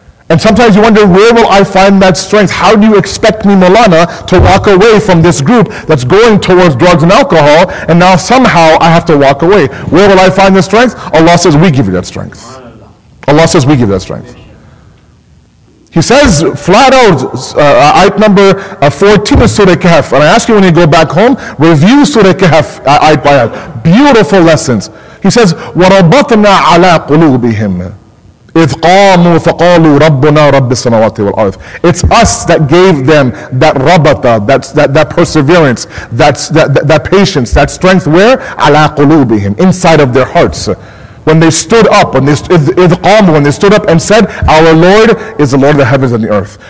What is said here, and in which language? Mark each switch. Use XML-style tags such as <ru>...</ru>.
<en>And sometimes you wonder, where will I find that strength? How do you expect me, Molana, to walk away from this group that's going towards drugs and alcohol, and now somehow I have to walk away? Where will I find the strength? Allah says, we give you that strength. Allah says, we give you that strength. He says flat out, ayat number 14 of Surah Kahf, and I ask you when you go back home, review Surah Kahf, ayat by ayat. Beautiful lessons. He says,</en> <ar>وَرَبَطْنَا عَلَىٰ قُلُوبِهِمْ إِذْ قَامُوا فَقَالُوا رَبُّنَا رَبِّ السَّمَوَاتِ وَالْأَرْضِ.</ar> <en>It's us that gave them that rabata, that perseverance, that patience, that strength, where?</en> <ar>عَلَىٰ قُلُوبِهِمْ,</ar> <en>inside of their hearts. When they stood up, when they stood up and said, our Lord is the Lord of the heavens and the earth.</en>